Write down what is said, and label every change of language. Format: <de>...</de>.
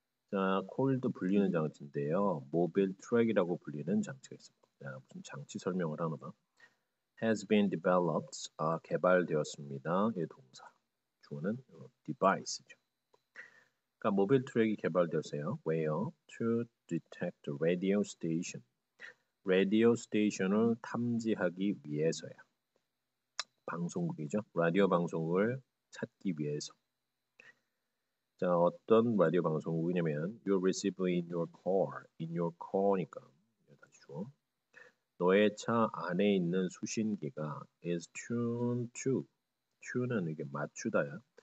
<ko>자, called 불리는 장치인데요. mobile track이라고 불리는 장치가 있습니다. 자, 무슨 장치 설명을 하나 봐.</ko> <en>has been developed.</en> <ko>아, 개발되었습니다. 이 동사. 주어는 device죠. 그러니까 mobile track이 개발되었어요.</ko> <en>where to detect radio station.</en> <ko>라디오 스테이션을 탐지하기 위해서야. 방송국이죠. 라디오 방송국을 찾기 위해서. 자, 어떤 라디오 방송국이냐면</ko> <en>you receive in your car. in your car니까.</en> <ko>너의 차 안에 있는 수신기가</ko> <en>is tuned to.</en> <ko>tune은 이게 맞추다야.</ko>